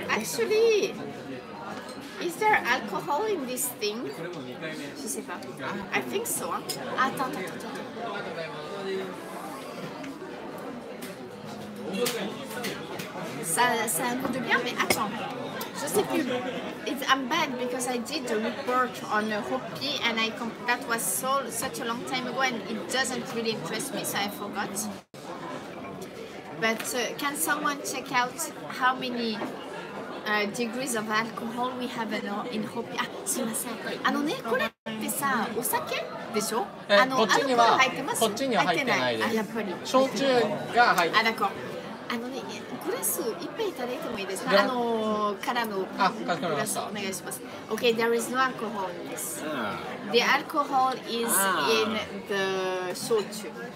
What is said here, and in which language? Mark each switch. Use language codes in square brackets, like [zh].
[en] Actually, is there alcohol in this thing? [fr] Je sais pas. [en] I think so. [fr] Hein. Attends. Ça a un goût de bien, mais attends, je sais plus. [en] I'm bad because I did a report on a hopi and that was so such a long time ago and it doesn't really interest me, so I forgot. But can someone check out how many degrees of alcohol we have in hopi? [fr] Ah, c'est ma sœur. Ah non, [ja] これってさ、お酒でしょ？あの、こっちには入ってないです。あ、やっぱり。焼酎が入ってない。あ、だから。あのね、グラス一杯いただいてもいいですか？あのからのグラスお願いします。 [en] Okay, there is no alcohol in this. The alcohol is in the 焼酎.